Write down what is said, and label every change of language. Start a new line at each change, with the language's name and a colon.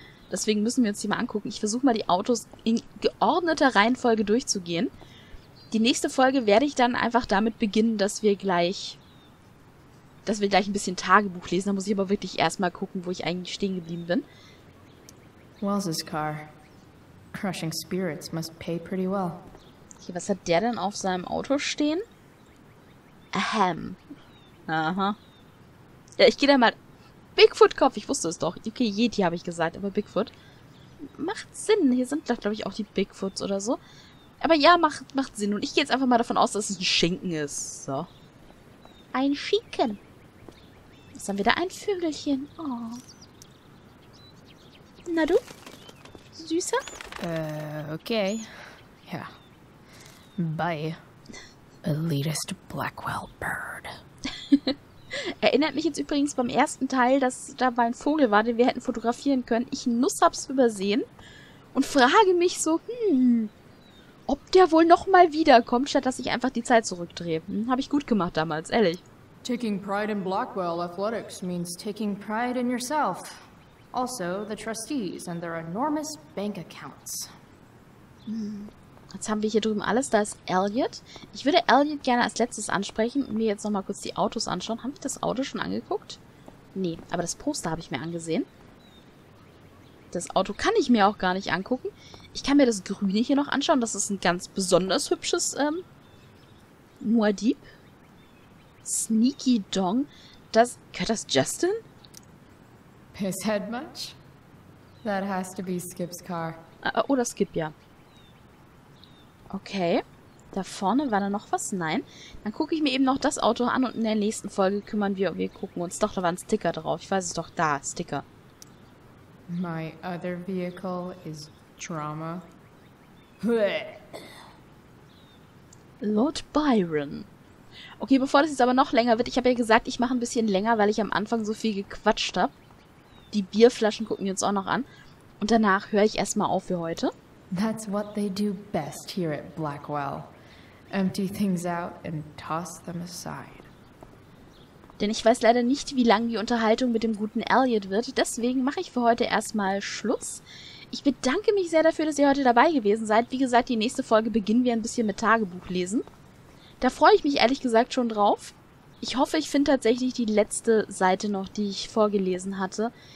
German: Deswegen müssen wir uns die mal angucken. Ich versuche mal, die Autos in geordneter Reihenfolge durchzugehen. Die nächste Folge werde ich dann einfach damit beginnen, dass wir gleich ein bisschen Tagebuch lesen. Da muss ich aber wirklich erstmal gucken, wo ich eigentlich stehen geblieben bin.
English: Wells' car. Crushing spirits must pay pretty well.
German: Okay, was hat der denn auf seinem Auto stehen? Ahem. Aha. Ja, ich gehe da mal... Bigfoot-Kopf, ich wusste es doch. Okay, Yeti habe ich gesagt, aber Bigfoot. Macht Sinn, hier sind glaube ich auch die Bigfoots oder so. Aber ja, macht Sinn. Und ich gehe jetzt einfach mal davon aus, dass es ein Schinken ist. So. Ein Schinken. Was haben wir da? Ein Vögelchen. Oh. Na du? Süßer? Okay. Ja. Bye.
English: Elitist Blackwell Bird.
German: Erinnert mich jetzt übrigens beim ersten Teil, dass da mal ein Vogel war, den wir hätten fotografieren können. Ich Nuss hab's übersehen und frage mich so, ob der wohl nochmal wiederkommt, statt dass ich einfach die Zeit zurückdrehe. Habe ich gut gemacht damals, ehrlich.
English: Taking pride in Blackwell Athletics means taking pride in yourself. Also the trustees and their enormous bank accounts.
German: Jetzt haben wir hier drüben alles. Da ist Elliot. Ich würde Elliot gerne als letztes ansprechen und mir jetzt nochmal kurz die Autos anschauen. Habe ich das Auto schon angeguckt? Nee, aber das Poster habe ich mir angesehen. Das Auto kann ich mir auch gar nicht angucken. Ich kann mir das Grüne hier noch anschauen. Das ist ein ganz besonders hübsches Muad'Dib.
English: Sneaky Dong.
German: Gehört das Justin?
English: His head much? That has to be Skip's car.
German: Oder Skip, ja. Okay. Da vorne war da noch was? Nein. Dann gucke ich mir eben noch das Auto an und in der nächsten Folge kümmern wir. Wir gucken uns doch, da war ein Sticker drauf. Ich weiß es doch, da, Sticker.
English: My other vehicle is drama. Lord Byron.
German: Okay, bevor das jetzt aber noch länger wird, ich habe ja gesagt, ich mache ein bisschen länger, weil ich am Anfang so viel gequatscht habe. Die Bierflaschen gucken wir uns auch noch an. Und danach höre ich erstmal auf für heute.
English: That's what they do best here at Blackwell. Empty things out and toss them aside.
German: Denn ich weiß leider nicht, wie lang die Unterhaltung mit dem guten Elliot wird. Deswegen mache ich für heute erstmal Schluss. Ich bedanke mich sehr dafür, dass ihr heute dabei gewesen seid. Wie gesagt, die nächste Folge beginnen wir ein bisschen mit Tagebuch lesen. Da freue ich mich ehrlich gesagt schon drauf. Ich hoffe, ich finde tatsächlich die letzte Seite noch, die ich vorgelesen hatte.